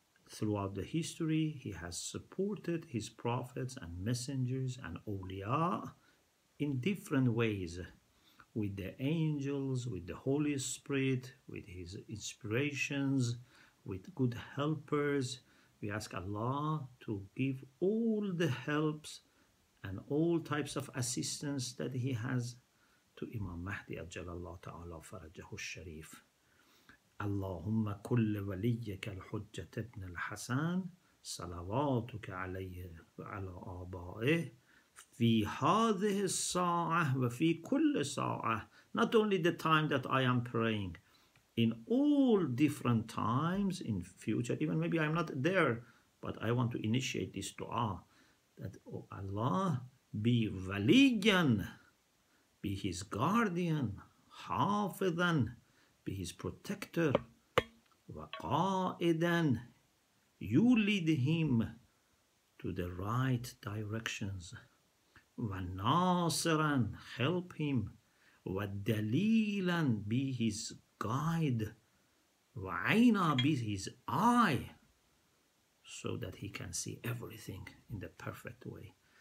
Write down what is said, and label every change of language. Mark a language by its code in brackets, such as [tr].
[en] Throughout the history, he has supported his prophets and messengers and awliya in different ways, with the angels, with the Holy Spirit, with his inspirations, with good helpers. We ask Allah to give all the helps and all types of assistance that he has to Imam Mahdi ajjalallahu ta'ala farajahu sharif. [ar] اللهم كل وليك الحجة ابن الحسن صلواتك عليه وعلى آبائه في هذه الساعة وفي كل ساعة. [en] Not only the time that I am praying, in all different times in future, even maybe I'm not there, but I want to initiate this dua that, oh Allah, be وليًا, be his guardian, حافظًا, be his protector, وقائدًا, you lead him to the right directions, وناصرًا, help him, ودليلًا, be his guide, وعينا, be his eye, so that he can see everything in the perfect way.